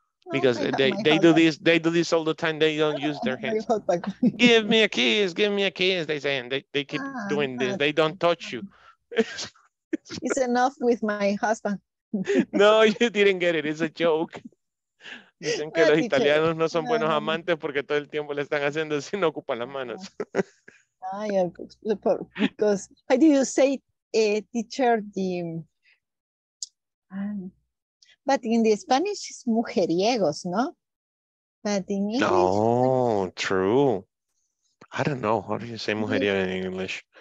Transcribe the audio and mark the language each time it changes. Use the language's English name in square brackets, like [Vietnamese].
[English] Because they do this all the time. They don't use their hands. Give me a kiss, give me a kiss, they say, and they keep doing this. They don't touch you. It's enough with my husband. No, you didn't get it. It's a joke. [Spanish] Dicen que los italianos no son buenos amantes porque todo el tiempo le están haciendo así, no ocupan las manos. [English] I am super, because how do you say teacher the but in the Spanish it's mujeriegos, no? But in English, no, true. I don't know, how do you say mujeriego in English?